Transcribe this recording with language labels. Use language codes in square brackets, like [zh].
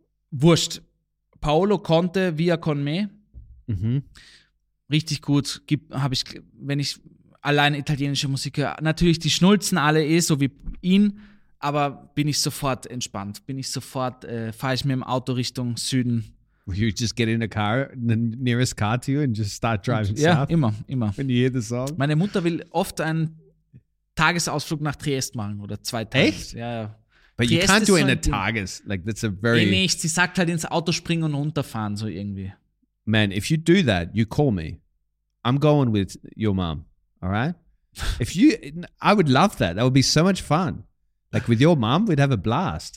[de] Wurscht. Paolo Conte, Via Con Me. Mhm. Richtig gut. Habe ich, wenn ich allein italienische Musik höre. Natürlich, die schnulzen alle eh, so wie ihn, aber bin ich sofort entspannt. Bin ich sofort, fahre ich mit dem Auto Richtung Süden. [en] Will you just get in a car, the nearest car to you and just start driving [de] ja, [en] south? [de] Ja, immer, immer. [en] When you hear the song? [de] Meine Mutter will oft einen Tagesausflug nach Triest machen oder zwei Tage. Echt? Ja, ja. [en] But Triest, you can't do it in a Tages. Like, that's a very... [de] Nee, nicht. Sie sagt halt ins Auto springen und runterfahren, so irgendwie. [en] Man, if you do that, you call me. I'm going with your mom. All right. If you, I would love that. That would be so much fun. Like with your mom, we'd have a blast.